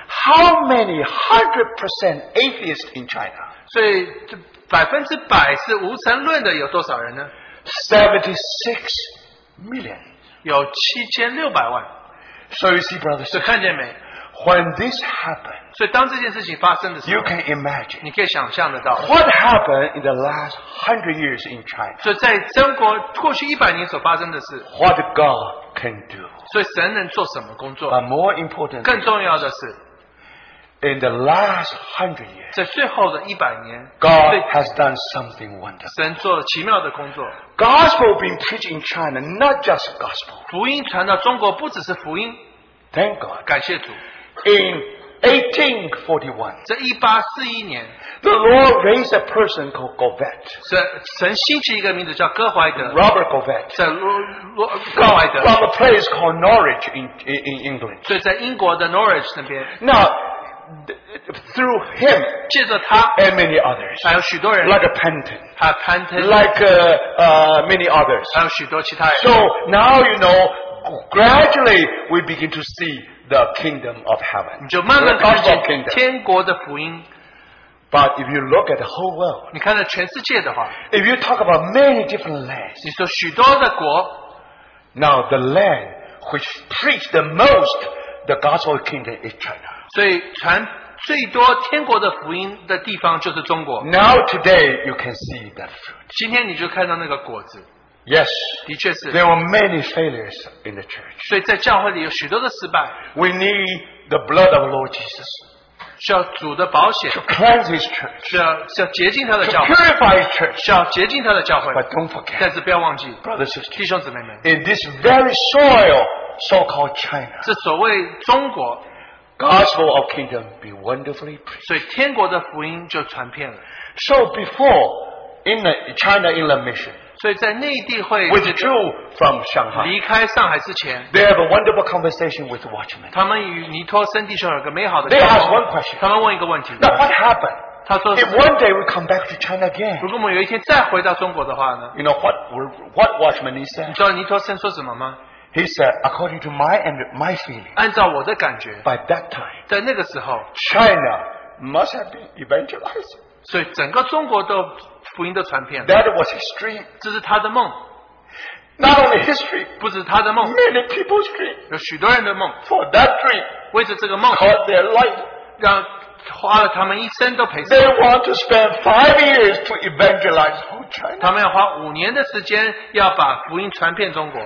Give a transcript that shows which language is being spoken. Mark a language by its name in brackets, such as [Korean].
[English] How many 100% atheists in China? [Chinese] 所以100%是无神论的有多少人呢? [English] 76 million. [Chinese] 有7600万. [English] So you see, brothers, [Chinese] 所以看见没? [English] When this happened, [Chinese] 所以当这件事情发生的时候, [English] you can imagine, [Chinese] 你可以想象得到, [English] what happened in the last 100 years in China. [Chinese] 所以在中国过去100年所发生的事, [English] what God can do. [Chinese] 所以神能做什么工作? [English] But more important, [Chinese] 更重要的是, [English] in the last 100 years, [Chinese] 在最后的100年, [English] God has done something wonderful. [Chinese] 神做了奇妙的工作. [English] Gospel being preached in China, not just gospel. [Chinese] 福音传到中国不只是福音. [English] Thank God. [Chinese] 感谢主. [English] In 1841, the Lord raised a person called Govet. [Chinese] 神兴起一个名字叫哥怀德, [English] Robert Govet. From a place called Norwich in England. [Chinese] 所以在英国的 Norwich 那边, [English] now, through him, [Chinese] 借着他, [English] and many others, [Chinese] 还有许多人, [English] like a Penton, [Chinese] 还有潘腾, [English] like many others. [Chinese] 还有许多其他人, [English] so now you know, gradually we begin to see the kingdom of heaven. [Chinese] 你就慢慢看见天国的福音. [English] But if you look at the whole world, [Chinese] 你看到全世界的话, [English] if you talk about many different lands, [Chinese] 你说许多的国, [English] now the land which preached the most the gospel kingdom is China. [Chinese] 所以传最多天国的福音的地方就是中国. [English] Now today you can see that fruit. [Chinese] 今天你就看到那个果子. [English] Yes, [Chinese] 的确是, [English] there were many failures in the church. [Chinese] 所以在教会里有许多的失败. [English] We need the blood of Lord Jesus. [Chinese] 需要主的保险, [English] to cleanse his church. [Chinese] 需要洁净他的教会, [English] to purify his church. [Chinese] 需要洁净他的教会, [English] but don't forget, [Chinese] 但是不要忘记, [English] brothers and sisters, [Chinese] 弟兄姊妹们, [English] in this very soil, so-called China, [Chinese] 这所谓中国, [English] gospel of kingdom be wonderfully preached. [Chinese] 所以天国的福音就传遍了. [English] So before, in the China Inland Mission, [Chinese] 所以在内地会, [English] withdrew from Shanghai, [Chinese] 离开上海之前, [English] they have a wonderful conversation with the watchman. [Chinese] 他们与尼托森弟兄有个美好的交流, [English] they ask one question. [Chinese] 他们问一个问题, [English] now what happened? [Chinese] 他说, [English] if one day we come back to China again, [Chinese] 如果我们有一天再回到中国的话呢? [English] You know what watchman he said? [Chinese] 你知道尼托森说什么吗? [English] He said, according to my feeling, [Chinese] 按照我的感觉, [English] by that time, [Chinese] 在那个时候, [English] China must have been evangelized. [Chinese] 所以整个中国都福音都传遍了. [English] That was his dream. [Chinese] 这是他的梦. [English] not only his dream, [Chinese] 不止他的梦, [English] many people's dream, [Chinese] 有许多人的梦, [English] for that dream, [Chinese] 为着这个梦, [English] caught their life. [Chinese] 让花了他们一生都赔死, [English] they want to spend 5 years to evangelize whole China. [Chinese] 他们要花5年的时间要把福音传遍中国。